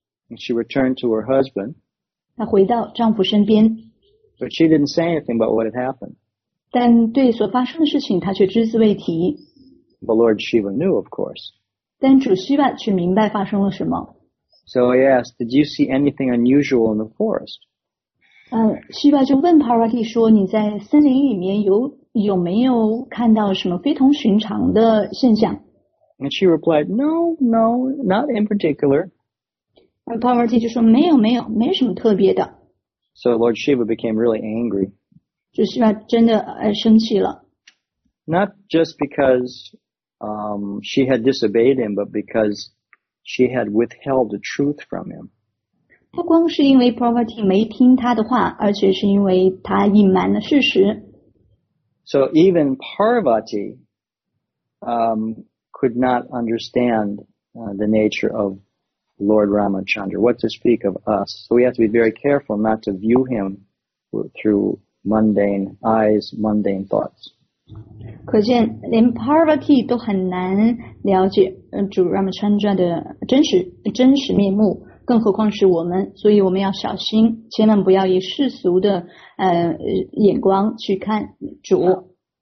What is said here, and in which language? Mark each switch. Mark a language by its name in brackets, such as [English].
[English] And she returned to her husband. [Chinese] 她回到丈夫身边. [English] But she didn't say anything about what had happened. [Chinese] 但对所发生的事情她却只字未提. [English] But Lord Shiva knew, of course. [Chinese] 但主Shiva却明白发生了什么. [English] So I asked, did you see anything unusual in the forest? [Chinese] Shiva 就问 Parvati 说你在森林里面有没有看到什么非同寻常的现象? [English] And she replied, no, not in particular. [Chinese] Parvati 就说没有，没什么特别的. [English] So Lord Shiva became really angry. [Chinese] 就Shiva真的生气了。 [English] Not just because she had disobeyed him, but because she had withheld the truth from him. [Chinese] 不光是因为 Parvati 没听他的话，而且是因为他隐瞒了事实。 [English] So even Parvati could not understand the nature of Lord Ramachandra. What to speak of us? So we have to be very careful not to view him through mundane eyes, mundane thoughts. [Chinese] 可见连 Parvati 都很难了解主 Ramachandra 的真实面目。更何况是我们，所以我们要小心，千万不要以世俗的眼光去看主。